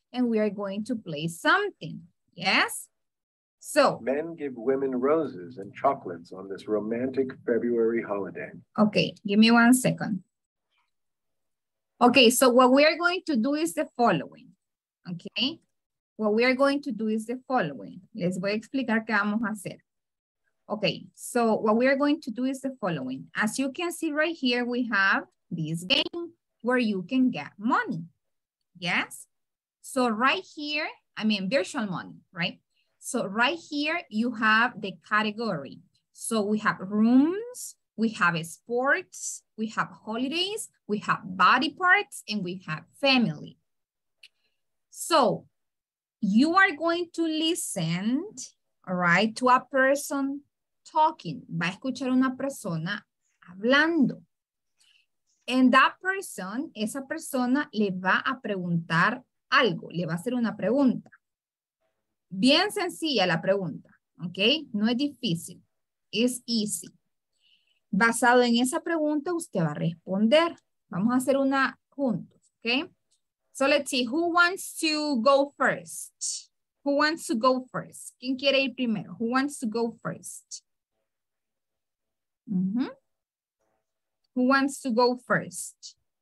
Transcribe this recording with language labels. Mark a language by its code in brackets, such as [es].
[en] And we are going to play something. Yes. So men give women roses and chocolates on this romantic February holiday. Okay. Give me 1 second. Okay. So what we are going to do is the following. Okay. What we are going to do is the following. [es] Les voy a explicar qué vamos a hacer. [en] Okay, so what we are going to do is the following. As you can see right here, we have this game where you can get money. Yes? So right here, I mean virtual money, right? So right here, you have the category. So we have rooms, we have sports, we have holidays, we have body parts, and we have family. So you are going to listen, all right, to a person talking. [es] Va a escuchar una persona hablando. [en] And that person, [es] esa persona le va a preguntar algo, le va a hacer una pregunta. Bien sencilla la pregunta, ¿ok? No es difícil, es easy. Basado en esa pregunta, usted va a responder. Vamos a hacer una juntos, ¿ok? [en] So let's see, who wants to go first? Who wants to go first? [es] ¿Quién quiere ir primero? [en] Who wants to go first? Mm-hmm. Who wants to go first?